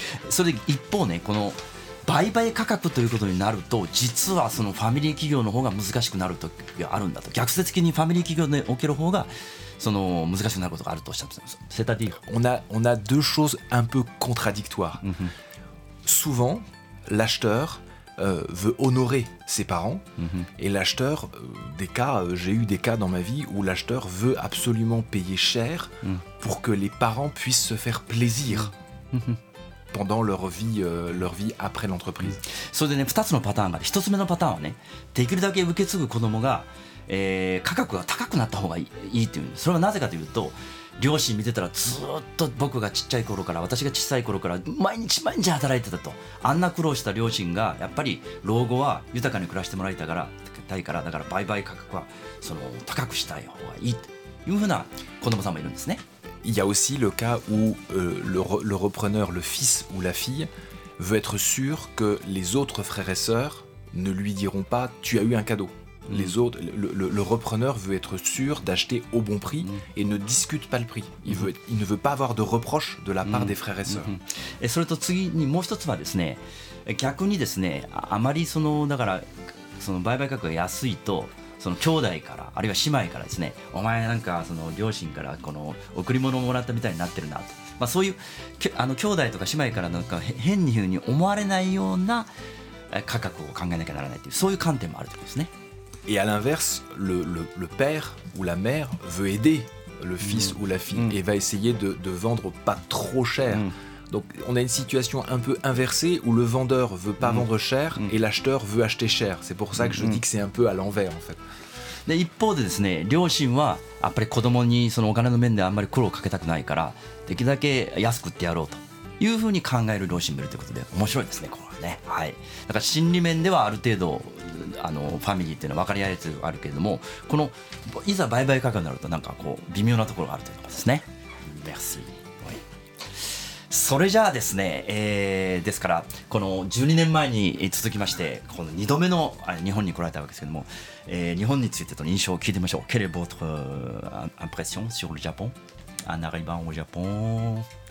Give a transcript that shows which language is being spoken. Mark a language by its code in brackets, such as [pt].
[ja] それで一方ね、この売買価格ということになると、実はそのファミリー企業の方が難しくなる時があるんだと、逆説的にファミリー企業における方がその難しくなることがあるとおっしゃってます。 [fr] セタディール。 On a deux choses un peu contradictoires. Souvent, l'acheteur veut honorer ses parents. Et l'acheteur, j'ai eu des cas dans ma vie où l'acheteur veut absolument payer cher pour que les parents puissent se faire plaisir. Pendant leur vie après l'entreprise. [ja] それでね、2つのパターンがある。1つ目のパターンはね、できるだけ受け継ぐ子供が、価格が高くなった方がいいっていう。それはなぜかというと、両親見てたらずっと僕がちっちゃい頃から、私が小さい頃から毎日毎日働いてたと。あんな苦労した両親がやっぱり老後は豊かに暮らしてもらいたから、だから売買価格はその高くしたい方がいいというふうな子供さんもいるんですね。 [fr] Il y a aussi le cas où le repreneur, le fils ou la fille, veut être sûr que les autres frères et sœurs ne lui diront pas « tu as eu un cadeau ». Le repreneur veut être sûr d'acheter au bon prix et ne discute pas le prix. Il ne veut pas avoir de reproche de la part des frères et sœurs. [ja] Et それと次にもう一つはですね、逆にですね、あまりそのだからその売買価格が安いと、その兄弟からあるいは姉妹からですね、お前なんかその両親からこの贈り物をもらったみたいになってるなと、まあ、そういうあの兄弟とか姉妹からなんか変にふうに思われないような価格を考えなきゃならないという、そういう観点もあるということですね。 [fr] Et à l'inverse, le père ou la mère veut aider le fils ou la fille et va essayer de vendre pas trop cher. Donc on a une situation un peu inversée où le vendeur ne veut pas vendre cher et l'acheteur veut acheter cher. C'est pour ça que je dis que c'est un peu à l'envers en fait. [ja] で一方でですね、両親はやっぱり子供にそのお金の面であんまり苦労をかけたくないから、できるだけ安く売ってやろうというふうに考える両親もいるということで、面白いですね、これはね。はい。だから心理面ではある程度あのファミリーっていうのは分かり合えるというのがあるけれども、このいざ売買価格になるとなんかこう微妙なところがあるということですね。Merci. それじゃあですね、ですからこの12年前に続きましてこの2度目の日本に来られたわけですけども、日本についての印象を聞いてみましょう。 [fr] Quelle est votre impression sur le Japon en arrivant au Japon？